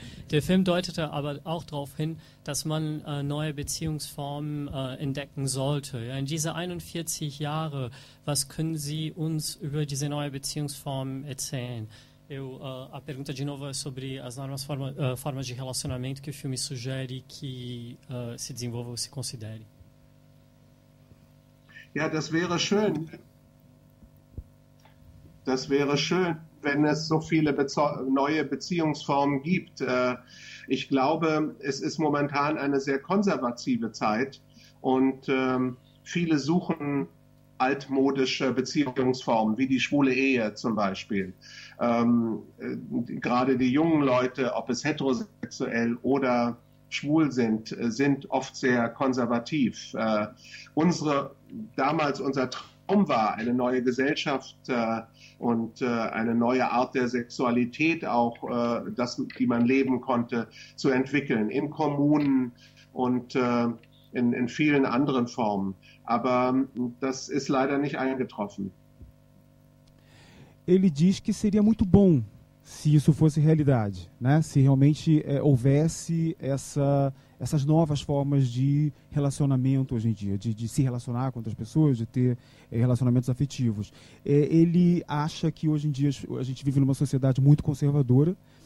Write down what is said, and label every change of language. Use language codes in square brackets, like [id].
[de] Der Film deutete aber auch darauf hin, dass man neue Beziehungsformen entdecken sollte. In diese 41 Jahre, was können Sie uns über diese neue Beziehungsformen erzählen? [pt] A pergunta de novo é sobre as novas formas de relacionamento que o filme sugere que se desenvolva ou se considere. [de] Ja, das wäre schön. Das wäre schön, wenn es so viele neue Beziehungsformen gibt. Ich glaube, es ist momentan eine sehr konservative Zeit und viele suchen altmodische Beziehungsformen, wie die schwule Ehe zum Beispiel. Gerade die jungen Leute, ob es heterosexuell oder schwul sind, sind oft sehr konservativ. Unser Traum war, eine neue Gesellschaft und eine neue Art der Sexualität auch, die man leben konnte, zu entwickeln, in Kommunen und in vielen anderen Formen. Aber das ist leider nicht eingetroffen. [pt] Ele diz que seria muito bom se isso fosse realidade, né? Se realmente houvesse essas novas formas de relacionamento hoje em dia, de se relacionar com outras pessoas, de ter relacionamentos afetivos. Ele acha que hoje em dia a gente vive numa sociedade muito conservadora.